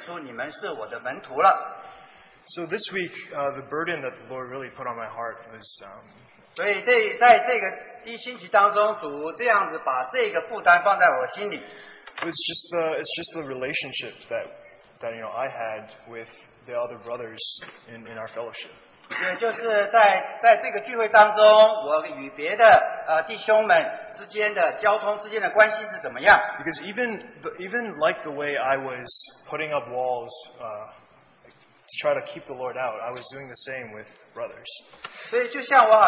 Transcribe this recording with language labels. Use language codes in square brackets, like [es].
[zh] 我赐给你们一条新命令，乃是叫你们彼此相爱。我怎样爱你们，你们也要怎样相爱。你们若有彼此相爱的心，众人因此就认出你们是我的门徒了。 [en] So this week, the burden that the Lord really put on my heart was. [zh] 所以在这个一星期当中，主这样子把这个负担放在我心里。 [en] It's just the relationship that you know I had with the other brothers in our fellowship. [zh] 也就是在这个聚会当中，我与别的弟兄们之间的交通之间的关系是怎么样？ [en] Because even like the way I was putting up walls, to try to keep the Lord out, I was doing the same with brothers.